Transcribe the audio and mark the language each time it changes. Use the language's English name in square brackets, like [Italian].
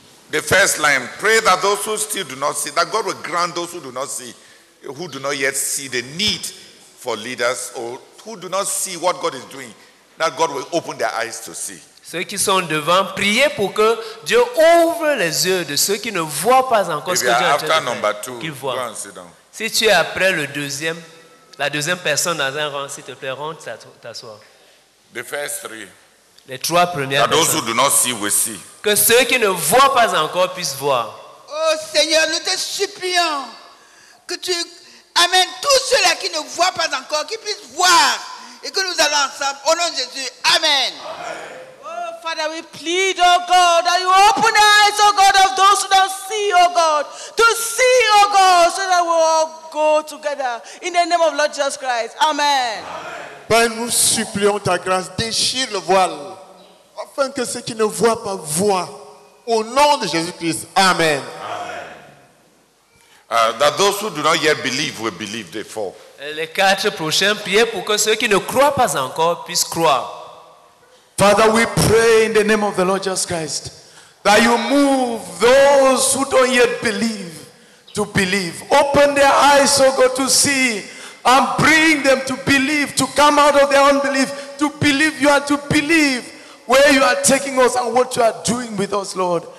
[English] The first line, pray that those who still do not see, that God will grant those who do not see, who do not yet see the need for leaders, or who do not see what God is doing, that God will open their eyes to see. [French] Ceux qui sont devant, priez pour que Dieu ouvre les yeux de ceux qui ne voient pas encore ce que Dieu est en train de faire, qu'ils voient. Si tu es après le deuxième, la deuxième personne dans un rang, s'il te plaît, rentre, t'asseoir. [English] The first three. [French] Les trois premières [English] that those who do not see will see. [French] Que ceux qui ne voient pas encore puissent voir. Oh Seigneur, nous te supplions que tu amènes tous ceux-là qui ne voient pas encore, qui puissent voir et que nous allons ensemble. Au nom de Jésus, amen. [English] Oh Father, we plead, oh God, that you open the eyes, oh God, of those who don't see, oh God, to see, oh God, so that we all go together. In the name of Lord Jesus Christ, amen. [French] Père, nous supplions ta grâce, déchire le voile, afin que ceux qui ne voient pas voient. Au nom de Jésus-Christ, amen. Amen. [English] That those who do not yet believe will believe they fall. [French] Les quatre prochains, priez pour que ceux qui ne croient pas encore puissent croire. [English] Father, we pray in the name of the Lord Jesus Christ that you move those who don't yet believe to believe. Open their eyes, O God, to see. And bring them to believe, to come out of their unbelief, to believe you and to believe where you are taking us and what you are doing with us, Lord.